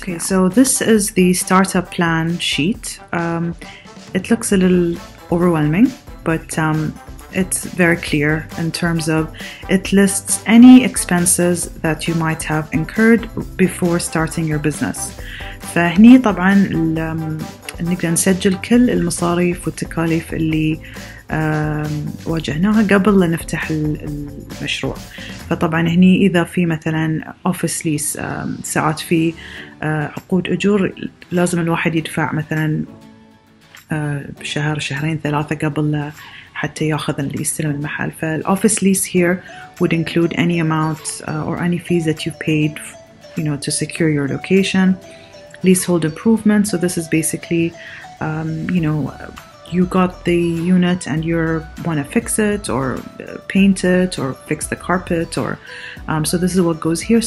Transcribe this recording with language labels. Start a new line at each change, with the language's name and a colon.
English: Okay, so this is the Startup Plan sheet. It looks a little overwhelming, but it's very clear in terms of it lists any expenses that you might have incurred before starting your business.
Arabic: فهني طبعا نقدر نسجل كل المصاريف والتكاليف اللي واجهناها قبل لنفتح المشروع. فطبعا هني إذا في مثلا office lease ساعات في عقود أجور لازم الواحد يدفع مثلا شهر شهرين ثلاثة قبل حتى ياخذ اللي يستلم المحل.
English: فالoffice lease here would include any amount or any fees that you paid, you know, to secure your location. Leasehold improvement, so this is basically, you know, you got the unit and you want to fix it or paint it or fix the carpet or so this is what goes here.